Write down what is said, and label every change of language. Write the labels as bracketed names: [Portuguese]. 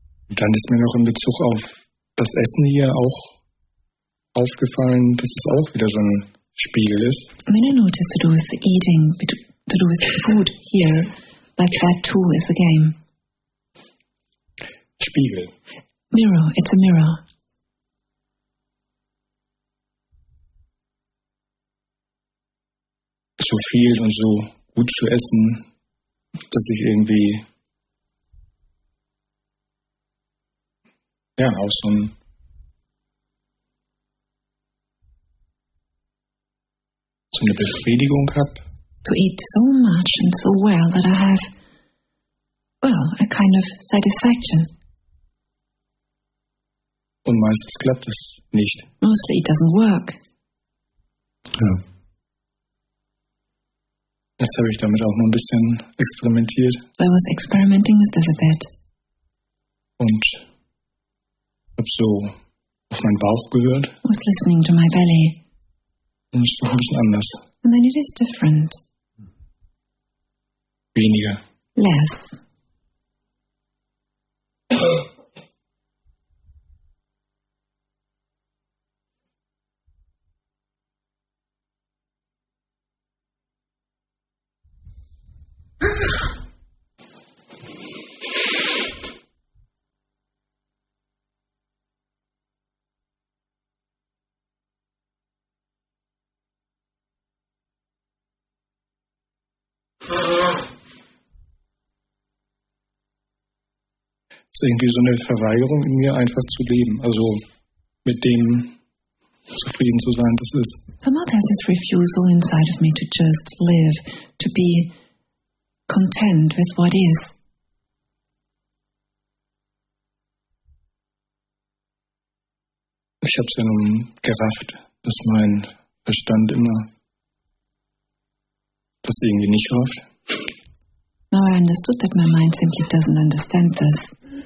[German] Dann ist mir noch in Bezug auf das Essen hier auch aufgefallen, dass es auch wieder so ein Spiegel ist. [English] When I noticed that it was eating, that it was food here, but that too is a game. [German] Spiegel. [English] Mirror, it's a mirror. [German] So viel und so gut zu essen, dass ich irgendwie ja, auch so ein so eine Befriedigung hab. [English] To eat so much and so well that I have, well, a kind of satisfaction. [German] Und meistens klappt es nicht. [English] Mostly it doesn't work. [German] Ja. Jetzt habe ich damit auch nur ein bisschen experimentiert. [English] So I was experimenting with this a bit. [German] Und ich habe so auf meinen Bauch gehört. [English] I was listening to my belly. [German] Und es ist ein bisschen anders. [English] And then it is different. [German] Weniger. [English] Less. [German] Irgendwie so eine Verweigerung in mir, einfach zu leben. Also mit dem zufrieden zu sein, das ist. [English] Somehow there's this refusal inside of me to just live, to be content with what is. [German] Ich hab's ja nun gerafft, dass mein Verstand immer das irgendwie nicht rafft. [English] Now I understood that my mind simply doesn't understand this.